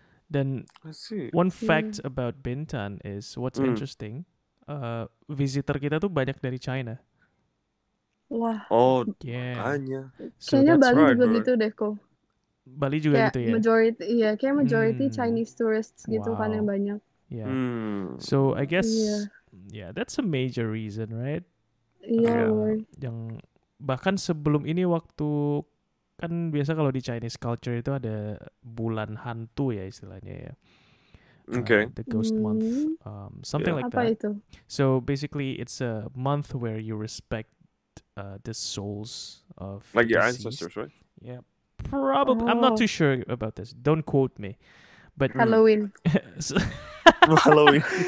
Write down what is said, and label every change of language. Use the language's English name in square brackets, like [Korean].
[English] Then one fact about Bintan is what's interesting. [Indonesian] Visitor kita tuh banyak dari China. Wah. Oh, makanya. So kayaknya Bali juga gitu deh, kok. Bali juga kayak gitu ya? [English] Majority Chinese tourists [Indonesian] gitu kan yang banyak. [English] Yeah. So I guess. Yeah, that's a major reason, right? Yeah. [Indonesian] Yang bahkan sebelum ini waktu kan biasa kalau di Chinese culture itu ada bulan hantu ya istilahnya ya. [English] Okay. The ghost month, something like [Indonesian] apa [English] that. [Indonesian] Itu? [English] So basically, it's a month where you respect the souls of like your ancestors, right? Yeah, probably. Oh. I'm not too sure about this. Don't quote me. But Halloween. Halloween.